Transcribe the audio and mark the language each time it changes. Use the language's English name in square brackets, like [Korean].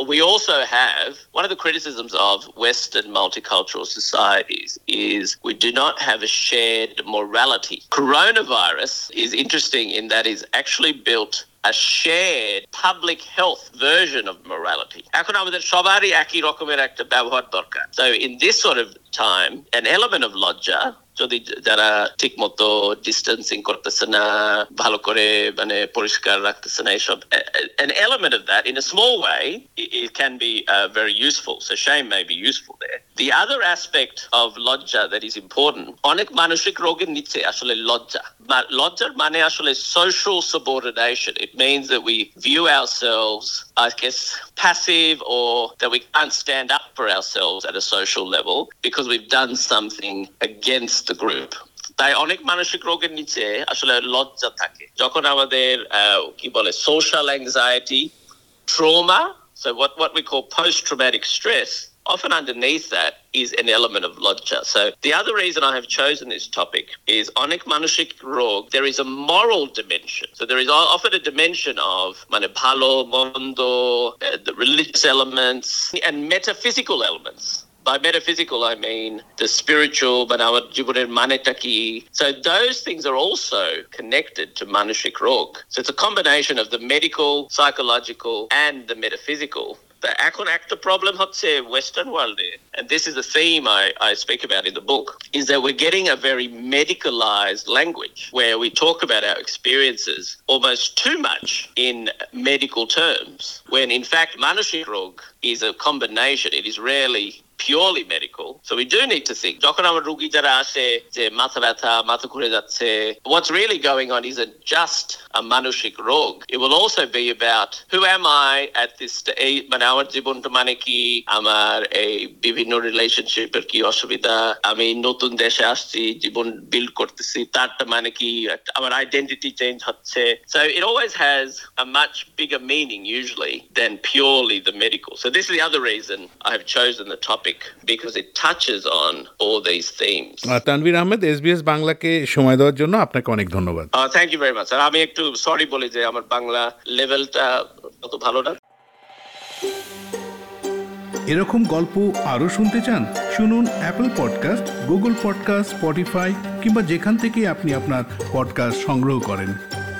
[English] We also have, one of the criticisms of Western multicultural societies is we do not have a shared morality. Coronavirus is interesting in that is actually built a shared public health version of morality. [Bangla] এখন আমাদের সবারই একই রকমের একটা ব্যবহার দরকার. [English] So in this sort of time, an element of lodger, [Bangla] যদি যারা ঠিক মতো ডিস্টেন্সিং করতেছে না, ভালো করে মানে পরিষ্কার রাখতেছে না, [English] এইসব an element of that in a small way, it can be very useful. So shame may be useful there. The other aspect of lodger that is important, [Bangla] অনেক মানসিক রোগের নিচে আসলে লজ্জা. লজ্জার মানে আসলে [English] social subordination. It means that we view ourselves, I guess, passive, or that we can't stand up for ourselves at a social level because we've done something against the group. [Bangla] তাই অনেক মানসিক রোগের নিচে আসলে লজ্জা থাকে. যখন আমাদের কি বলে [English] social anxiety, trauma, so what we call post-traumatic stress, often underneath that is an element of lodger. So the other reason I have chosen this topic is [Bangla] onek manushik rog, [English] there is a moral dimension. So there is often a dimension of [Bangla] mane bhalo mondo, [English] the religious elements and metaphysical elements. By metaphysical, I mean the spiritual, but our [Bangla] jibuner maneta ki. [English] So those things are also connected to manushik rog. So it's a combination of the medical, psychological and the metaphysical. The [Bangla] এখন একটা [English] problem হচ্ছে Western world, and this is a theme I speak about in the book, is that we're getting a very medicalized language where we talk about our experiences almost too much in medical terms, when in fact মানসিক রোগ is a combination. It is rarely purely medical. So we do need to think, [Bangla] যখন আমার রোগী যারা আসে যে মাথা ব্যথা, মাথা ঘুরে যাচ্ছে, [English] what's really going on isn't just a মানসিক রোগ. It will also be about who am I at this stage, [Bangla] মানে আমার জীবনটা মানে কি, আমার এই বিভিন্ন রিলেশনশিপের কি অসুবিধা, আমি নতুন দেশে আসছি, জীবন বিল্ড করতেছি, তারটা মানে কি, আমার আইডেন্টিটি চেঞ্জ হচ্ছে. [English] So it always has a much bigger meaning usually than purely the medical. So this is the other reason I have chosen the topic, because it touches on all these themes. [Bangla] Tanvir Ahmed, SBS বাংলাকে সময় দেওয়ার জন্য আপনাকে অনেক ধন্যবাদ. [English] Thank you very much. [Bangla] আর আমি একটু sorry বলি যে আমার বাংলা লেভেলটা অত ভালো না। এরকম গল্প আরও শুনতে চান? শুনুন Apple podcast, Google podcast, Spotify কিংবা যেখান থেকে আপনি আপনার পডকাস্ট সংগ্রহ করেন।